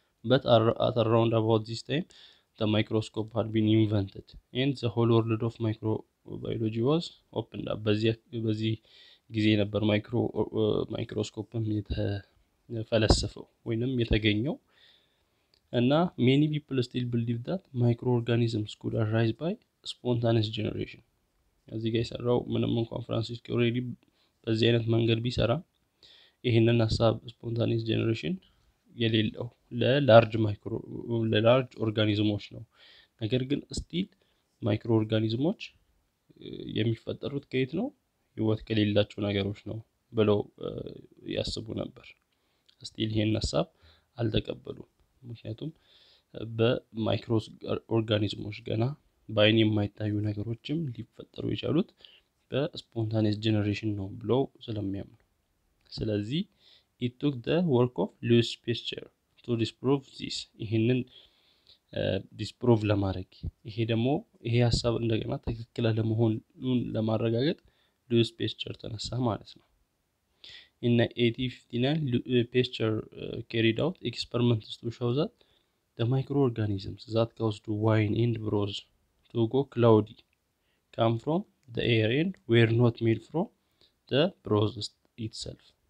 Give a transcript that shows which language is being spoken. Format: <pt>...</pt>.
<en>but at around about this time the microscope had been invented and the whole world of microbiology was opened up.</en> <am>በዚ ጊዜ ነበር ማይክሮስኮፕም የተፈለሰፈው ወይንም የተገኘው።</am> <en>እና many people still believe that microorganisms could arise by spontaneous generation.</en> <am>እዚ ጋር ሰራው ምንም እንኳን ፍራንሲስ ኦሬዲ በዚህ አይነት መንገድ ቢሰራ ይሄንን ሐሳብ spontaneous generation የሌለው ለላርጅ ማይክሮ ለላርጅ ኦርጋኒዝሞች ነው። ነገር ግን ስቲል ማይክሮ ኦርጋኒዝሞች የሚፈጠሩት ከየት ነው? ህይወት ከሌላቸው ነገሮች ነው ብለው ያስቡ ነበር። ስቲል ይሄን ሐሳብ አልተቀበሉም። ምክንያቱም በማይክሮ ኦርጋኒዝሞች ገና ባይን የማይታዩ ነገሮችም ሊፈጠሩ የቻሉት በስፖንታኔስ ጄኔሬሽን ነው ብለው ስለሚያምኑ። ስለዚህ</am> <en>it took the work of Louis Pasteur to disprove this.</en> <am>ይሄንን disprove ለማድረግ ይሄ ደግሞ ይሄ ሐሳብ እንደገና ትክክለ ለመሆኑን ለማረጋገጥ Louis Pasteur ተነሳ ማለት ነው።</am> <en>in 1859 Pasteur carried out experiments to show that the microorganisms that caused wine and brose to go cloudy come from the air and were not made from the brose itself.</en>